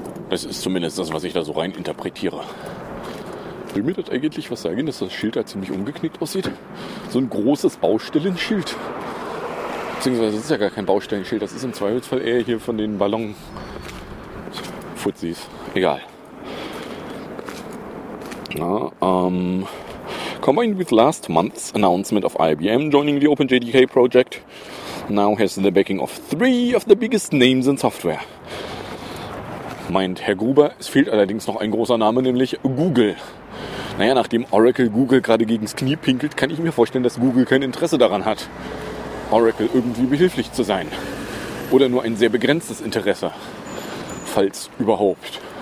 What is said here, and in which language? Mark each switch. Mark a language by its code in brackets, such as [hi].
[de] Das ist zumindest das, was ich da so rein interpretiere. Will mir das eigentlich was sagen, dass das Schild da ziemlich umgeknickt aussieht? So ein großes Baustellenschild. Beziehungsweise, das ist ja gar kein Baustellenschild, das ist im Zweifelsfall eher hier von den Ballon-Fuzzis. Egal. [en] Na, combined with last month's announcement of IBM joining the OpenJDK project, now has the backing of three of the biggest names in software. [de] Meint Herr Gruber, es fehlt allerdings noch ein großer Name, nämlich Google. Naja, nachdem Oracle Google gerade gegens Knie pinkelt, kann ich mir vorstellen, dass Google kein Interesse daran hat, Oracle irgendwie behilflich zu sein. Oder nur ein sehr begrenztes Interesse, falls überhaupt.